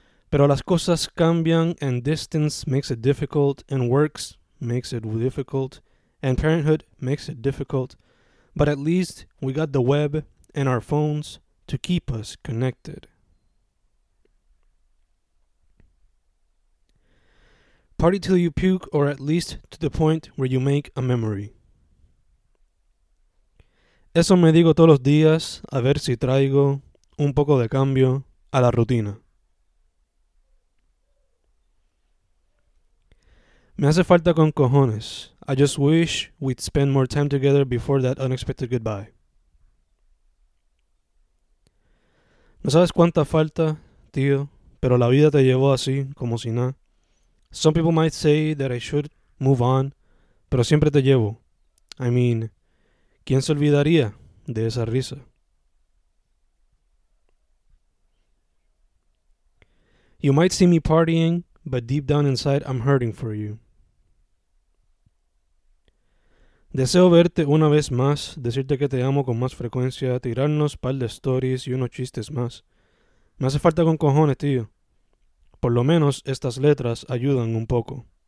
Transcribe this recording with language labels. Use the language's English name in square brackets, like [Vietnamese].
[Spanish] Pero las cosas cambian, [English] and distance makes it difficult, and works makes it difficult, and parenthood makes it difficult, but at least we got the web and our phones to keep us connected. Party till you puke, or at least to the point where you make a memory. [Spanish] Eso me digo todos los días, a ver si traigo un poco de cambio a la rutina. Me hace falta con cojones. [English] I just wish we'd spend more time together before that unexpected goodbye. [Spanish] No sabes cuánta falta, tío, pero la vida te llevó así, como si nada. [English] Some people might say that I should move on, [Spanish] pero siempre te llevo. [English] I mean, [Spanish] ¿quién se olvidaría de esa risa? [English] You might see me partying, but deep down inside I'm hurting for you. [Spanish] Deseo verte una vez más, decirte que te amo con más frecuencia, tirarnos pal de stories y unos chistes más. Me hace falta con cojones, tío. Por lo menos estas letras ayudan un poco.